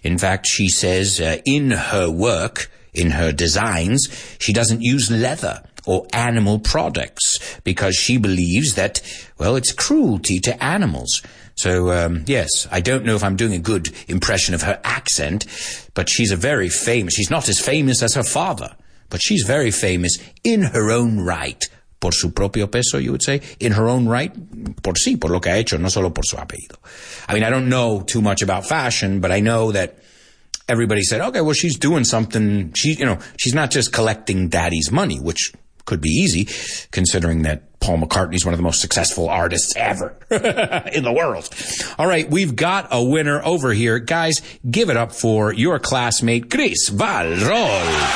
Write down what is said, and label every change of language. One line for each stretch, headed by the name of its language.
English: In fact, she says in her work, in her designs, she doesn't use leather or animal products because she believes that, well, it's cruelty to animals. So, yes, I don't know if I'm doing a good impression of her accent, but she's a very famous. She's not as famous as her father. But she's very famous in her own right.
Spanish: Por su propio peso,
English: you would say. In her own right.
Spanish: Por sí, por lo que ha hecho, no solo por su apellido.
English: I mean, I don't know too much about fashion, but I know that everybody said, okay, well, she's doing something. She's not just collecting daddy's money, which could be easy, considering that Paul McCartney's one of the most successful artists ever in the world. All right, we've got a winner over here. Guys, give it up for your classmate, Chris Valrol.